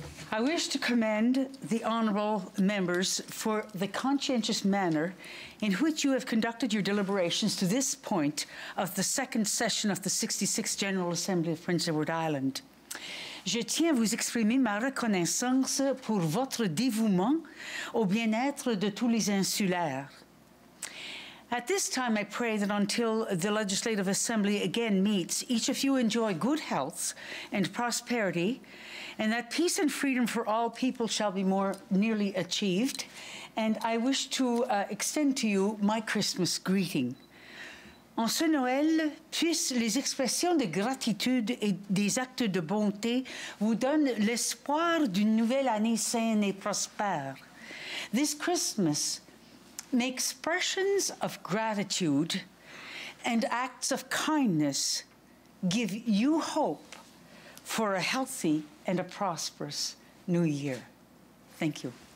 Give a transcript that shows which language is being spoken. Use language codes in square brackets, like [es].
[en] I wish to commend the honorable members for the conscientious manner in which you have conducted your deliberations to this point of the second session of the 66th General Assembly of Prince Edward Island. [fr] Je tiens à vous exprimer ma reconnaissance pour votre dévouement au bien-être de tous les insulaires. [en] At this time, I pray that until the Legislative Assembly again meets, each of you enjoy good health and prosperity, and that peace and freedom for all people shall be more nearly achieved. And I wish to extend to you my Christmas greeting. [fr] En ce Noël, puissent les expressions de gratitude et des actes de bonté vous donnent l'espoir d'une nouvelle année saine et prospère. [en] This Christmas, may expressions of gratitude and acts of kindness give you hope for a healthy and a prosperous new year. Thank you.